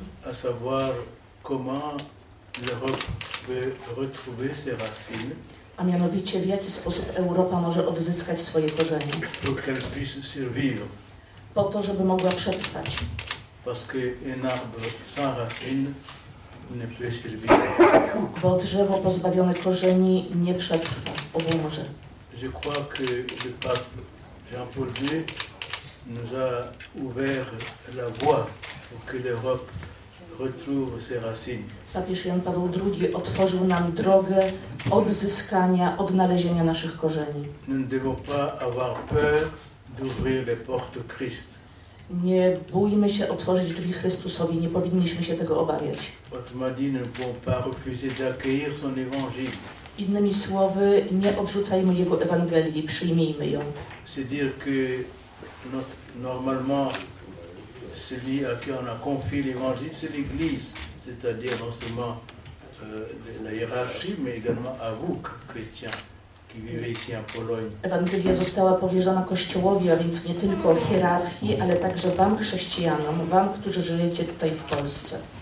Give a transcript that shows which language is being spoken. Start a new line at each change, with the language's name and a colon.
French: À savoir comment l'Europe peut retrouver ses racines.
Polish: A mianowicie, w jaki sposób Europa może odzyskać swoje korzenie.
French: Pour qu'elle puisse survivre.
Polish: Po to, żeby mogła przetrwać.
French: Parce qu'un arbre sans racines ne peut survivre.
Polish: Bo drzewo pozbawione korzeni nie przetrwa, obumrze.
French: Je crois que le pape Jean-Paul II nous a ouvert la voie pour que l'Europe retrouve ses racines.
Polish: Papież Jan Paweł II otworzył nam drogę odzyskania, odnalezienia naszych korzeni.
French: Nous ne devons pas avoir peur d'ouvrir les portes au Christ.
Polish: Nie bójmy się otworzyć drzwi Chrystusowi, nie powinniśmy się tego obawiać.
French: Autrement dit, nous ne pouvons pas refuser d'accueillir son évangile.
Polish: Innymi słowy, nie odrzucajmy jego Ewangelii, przyjmijmy ją.
French: C'est dire que normalement, celui à qui on a confié l'évangile, c'est l'Église, c'est-à-dire non seulement la hiérarchie, mais également à vous, chrétiens, qui vivez ici en Pologne.
Polish: Ewangelia została powierzona Kościołowi, a więc nie tylko hierarchii, ale także wam, chrześcijanom, wam, którzy żyjecie tutaj w Polsce.